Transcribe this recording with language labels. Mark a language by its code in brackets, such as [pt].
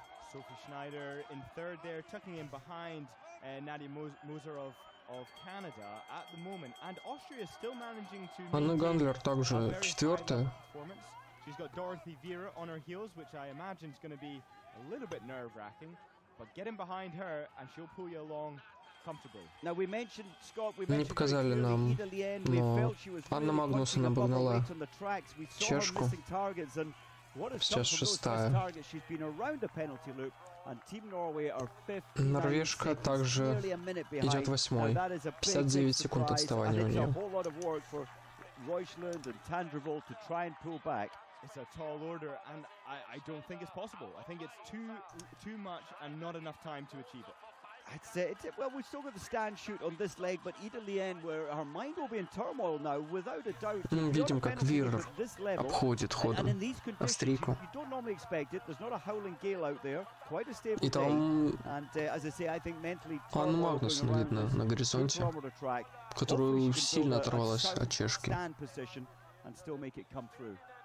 [en] Sophie Schneider in third there, tucking in behind Nadia Moser of Canada at the moment. And Austria still managing to... [ru] Анна Гандлер также четвертая. [en] She's got Dorothy Vera on her heels, which I imagine is going to be a little bit nerve-wracking, but get in behind her and she'll pull you along comfortably. Now we mentioned Scott, we mentioned Ida Lien, we felt she was really pushing above the weight on the tracks, we saw her missing targets, and what has come from those missed targets? She's been around the penalty loop. And Team Norway are 59 seconds, nearly a minute behind. And that is a lot of work for Reuschlund and Tandreville to try and pull back. It's a tall order, and I don't think it's possible. I think it's too much and not enough time to achieve it. I'd say we've still got the stand shoot on this leg, but Ida Lien, where her mind will be in turmoil now, without a doubt. [ru] Видим, как Вирр обходит ходом австрийку. [en] You don't normally expect it. There's not a howling gale out there. Quite a stable [ru] и [en] day. [ru] Там... [en] And as I say, I think mentally. [ru] Анна Магнусен видно на горизонте, которую сильно оторвалась от чешки. [en] Stand position and still make it come through.